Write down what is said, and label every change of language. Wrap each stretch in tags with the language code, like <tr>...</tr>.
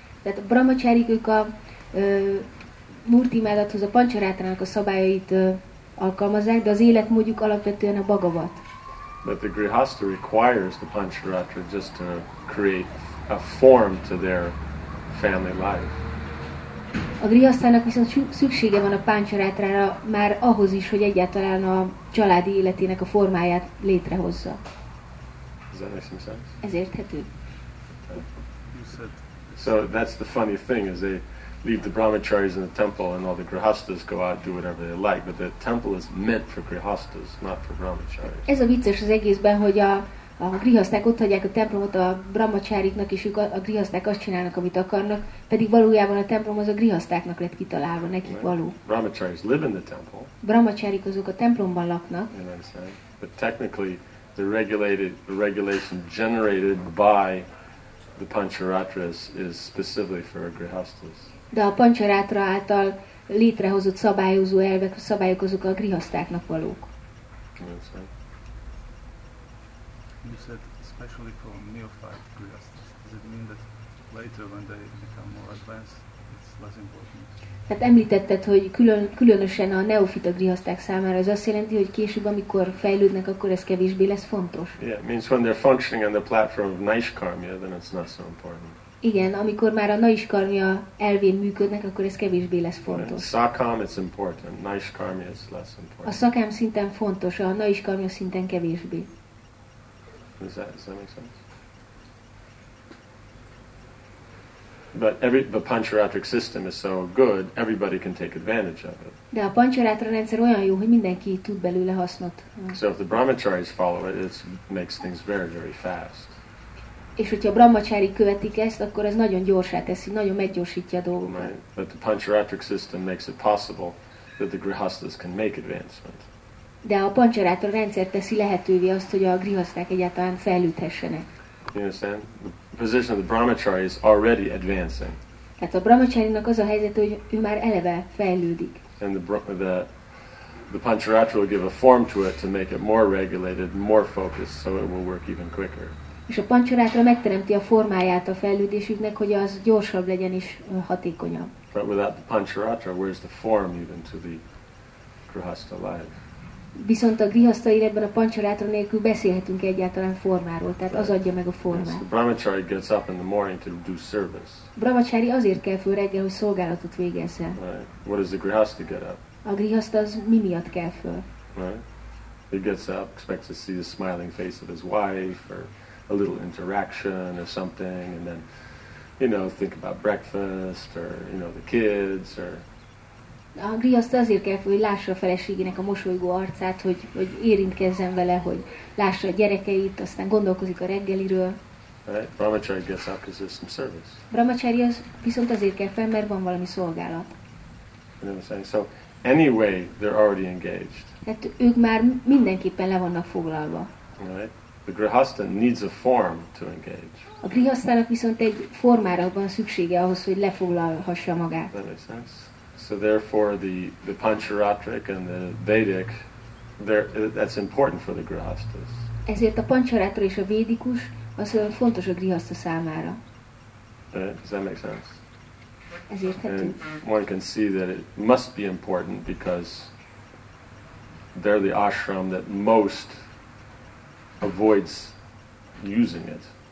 <hu>Tehát a brahmacharik, ők a Murti imádathoz a Pancharatrának a szabályait alkalmazzák, de az életmódjuk alapvetően a Bhagavat.</hu> <en>But the grihastha requires the Pancharatra just to create a form to their family life.</en> <hu>A grihasztának viszont szüksége van a páncsarátrára már ahhoz is, hogy egyáltalán a családi életének a formáját létrehozza. Ez érthető.</hu> <en>So that's the funny thing, is they leave the brahmacharis in the temple and all the grihasthas go out and do whatever they like, but the temple is meant for grihasthas, not for brahmacharis.</en> <hu>Ez a vicces az egészben, hogy a grihaszták ott hagyják a templomot a brahmacháriknak, és ők a grihaszták azt csinálnak, amit akarnak, pedig valójában a templom az a grihasztáknak lett kitalálva, nekik right. Való.</hu> <en>Brahmacharis live in the temple.</en> <hu>Brahmacharik azok a templomban laknak.</hu> <en>But technically, the regulation generated by the pancharatra is specifically for a grihasthas.</en> <hu>De a pancharatra által létrehozott szabályozó elvek, szabályok azok a grihasztáknak valók.</hu> <en>You said especially for neophyte grihasthas. Does it mean that later when they become more advanced, it's less important?</en> <hu>Tehát említetted, hogy különösen a neofita grihaszták számára ez azt jelenti, hogy később, amikor fejlődnek, akkor ez kevésbé lesz fontos.</hu> <en>Yeah, it means when they're functioning on the platform of naishkarmya, then it's not so important.</en> <hu>Igen, amikor már a naishkarmya elvén működnek, akkor ez kevésbé lesz fontos.</hu> <en>Sakam is important, naishkarmya is less important.</en> <hu>A sakam szinten fontos, a naishkarmya szinten kevésbé.</hu> <en>Does that make sense? But every the pancharatric system is so good, everybody can take advantage of it.</en> <hu>De a pancharatra rendszer olyan jó, hogy mindenki tud belőle hasznot.</hu> <en>So if the brahmacharis follow it, it makes things very, very fast.</en> <hu>És hogyha a brahmacsári követik ezt, akkor ez nagyon gyorsá teszi, nagyon meggyorsítja a dolgokat.</hu> <en>Right. But the pancharatric system makes it possible that the grihasthas can make advancement.</en> <hu>De a pancharatra rendszer teszi lehetővé azt, hogy a grihaszták egyáltalán fejlődhessenek.</hu> <en>You understand? The position of the brahmachari is already advancing.</en> <hu>Tehát a brahmacsárinak az a helyzet, hogy ő már eleve fejlődik.</hu> <en>And the pancharatra will give a form to it to make it more regulated, more focused, so it will work even quicker.</en> <hu>És a pancharatra megteremti a formáját a fejlődésüknek, hogy az gyorsabb legyen és hatékonyabb.</hu> <en>But without the pancharatra, where is the form even to the grihastha life?</en> <hu>Viszont a grihastha életben a pancharatra nélkül beszélhetünk egyáltalán formáról, tehát az adja meg a formát.</hu> <en>The brahmachari gets up in the morning to do service.</en> <hu>Brahmachari azért kell föl reggel, hogy szolgálatot végezzen.</hu> <en>Right. What does the grihastha get up?</en> <hu>A grihastha az mi miatt kell föl?</hu> <en>Right. He gets up, expects to see the smiling face of his wife, or a little interaction or something, and then, you know, think about breakfast, or, you know, the kids, or...</en> <hu>A grihastha azért kell, hogy lássa a feleségének a mosolygó arcát, hogy, hogy érintkezzen vele, hogy lássa a gyerekeit, aztán gondolkozik a reggeliről.</hu> <en>Right. Brahmachari gets up because there's some service.</en> <hu>Brahmachari az viszont azért kell fel, mert van valami szolgálat.</hu> <en>You know what I'm saying? So, anyway, they're already engaged.</en> <hu>Tehát ők már mindenképpen le vannak foglalva.</hu> <en>Right. The grihastha needs a form to engage.</en> <hu>A grihasztának viszont egy formára van szüksége ahhoz, hogy lefoglalhassa magát.</hu> <en>That makes sense. So therefore the pancharatric and the vedic that's important for the grihasthas.</en> <hu>Ezért a pancharatra és a védikus az fontos a grihastha számára.</hu> <en>Does that make sense?</en> <hu>Ezért</hu> <en>one can see that it must be important because they're the ashram that most avoids using it.</en>